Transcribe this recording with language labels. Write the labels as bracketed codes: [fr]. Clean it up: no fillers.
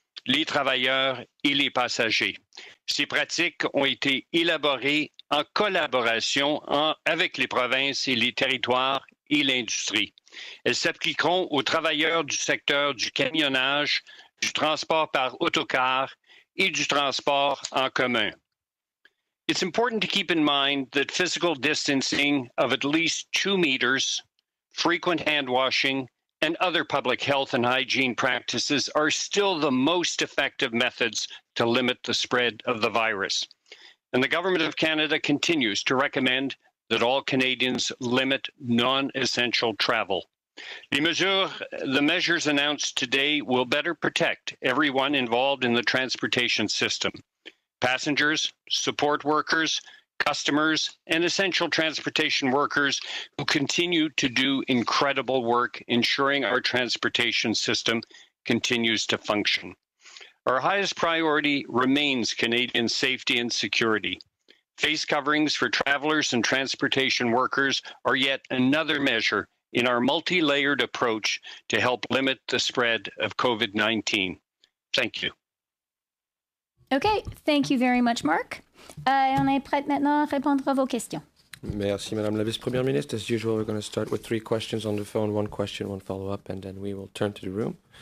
[fr] les travailleurs et les passagers. Ces pratiques ont été élaborées en collaboration avec les provinces et les territoires et l'industrie. Elles s'appliqueront aux travailleurs du secteur du camionnage, du transport par autocar et du transport en commun. [en] It's important to keep in mind that physical distancing of at least 2 meters, frequent hand washing, and other public health and hygiene practices are still the most effective methods to limit the spread of the virus. And the Government of Canada continues to recommend that all Canadians limit non-essential travel. The measures announced today will better protect everyone involved in the transportation system. Passengers, support workers, customers, and essential transportation workers who continue to do incredible work ensuring our transportation system continues to function. Our highest priority remains Canadian safety and security. Face coverings for travelers and transportation workers are yet another measure in our multi-layered approach to help limit the spread of COVID-19. Thank you. Okay, thank you very much, Mark. [fr] On est prêt maintenant à répondre à vos questions. Merci, Madame la Vice-Première Ministre. [en] As usual, we're going to start with 3 questions on the phone, 1 question, 1 follow-up, and then we will turn to the room.